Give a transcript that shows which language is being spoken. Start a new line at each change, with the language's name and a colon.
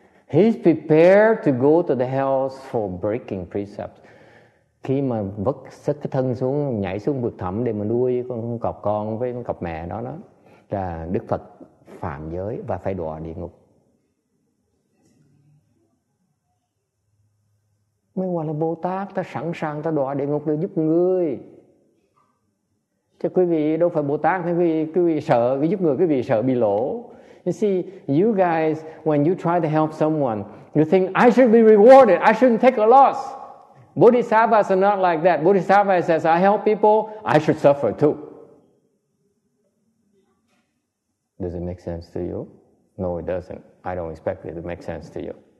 English: He's prepared to go to the hells for breaking precepts.
Vietnamese: Khi mà vứt sức cái thân xuống, nhảy xuống vực thẳm để mà nuôi con với cọp mẹ đó, là Đức Phật phạm giới và phải đọa địa ngục. mới gọi là Bồ Tát, ta sẵn sàng ta đọa địa ngục để giúp người. Chứ quý vị đâu phải Bồ Tát, thì quý vị sợ cái giúp người, quý vị sợ bị lỗ.
English: You see, you guys, when you try to help someone, you think, I should be rewarded, I shouldn't take a loss. Bodhisattvas are not like that. Bodhisattva says, I help people, I should suffer too. Does it make sense to you? No, it doesn't. I don't expect it to make sense to you.